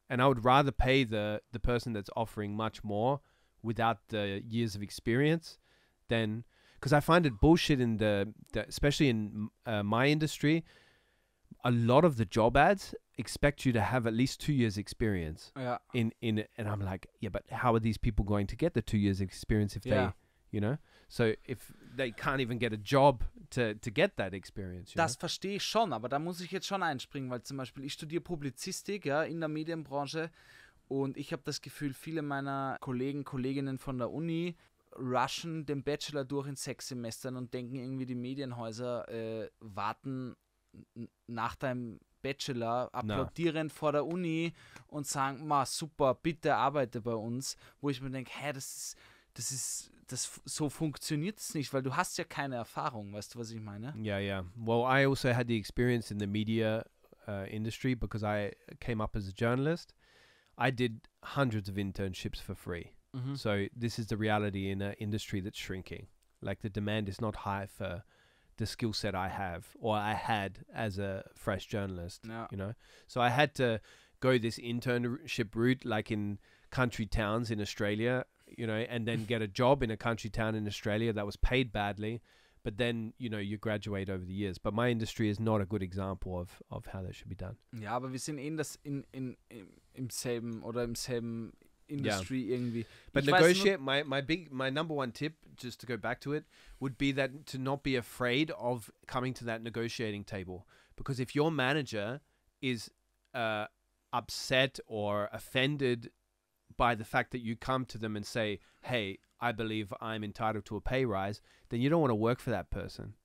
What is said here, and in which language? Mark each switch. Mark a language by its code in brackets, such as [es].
[en] And I would rather pay the person that's offering much more without the years of experience than, because I find it bullshit in the especially in my industry, a lot of the job ads expect you to have at least 2 years experience. Yeah. In and I'm like, yeah, but how are these people going to get the 2 years experience if they, you know? So if they can't even get a job to get that experience. Das know? [de] Verstehe ich schon, aber da muss ich jetzt schon einspringen, weil zum Beispiel ich studiere Publizistik, ja, in der Medienbranche, und ich habe das Gefühl, viele meiner Kollegen, Kolleginnen von der Uni rushen den Bachelor durch in 6 Semestern und denken irgendwie, die Medienhäuser warten nach deinem Bachelor, applaudieren vor der Uni und sagen, ma super, bitte arbeite bei uns. Wo ich mir denke, hä, das ist so funktioniert es nicht, weil du hast ja keine Erfahrung, weißt du, was ich meine? [en] Yeah, yeah. Well, I also had the experience in the media industry because I came up as a journalist. I did hundreds of internships for free. Mm-hmm. So this is the reality in an industry that's shrinking. Like the demand is not high for the skill set I have or I had as a fresh journalist, you know? So I had to go this internship route, like in country towns in Australia, you know, and then get a job in a country town in Australia that was paid badly. But then, you know, you graduate over the years. But my industry is not a good example of how that should be done. [de] Ja, aber wir sind in das im selben oder im selben industry irgendwie. [en] But negotiate, my number one tip, just to go back to it, would be that to not be afraid of coming to that negotiating table. Because if your manager is upset or offended by the fact that you come to them and say, hey, I believe I'm entitled to a pay rise, then you don't want to work for that person,